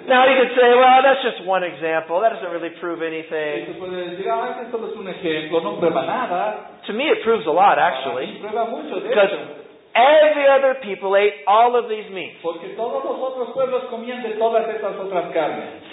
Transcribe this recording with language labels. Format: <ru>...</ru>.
<en>Now you could say, well, that's just one example. That doesn't really prove anything.</en> <es>Y tú puedes decir, ah, eso es un ejemplo, no prueba nada.</es> <en>To me, it proves a lot, actually.</en> <es>Prueba mucho de eso.</es> <en>Every other people ate all of these meats.</en> <es>Porque todos los otros pueblos comían de todas estas otras carnes.</es>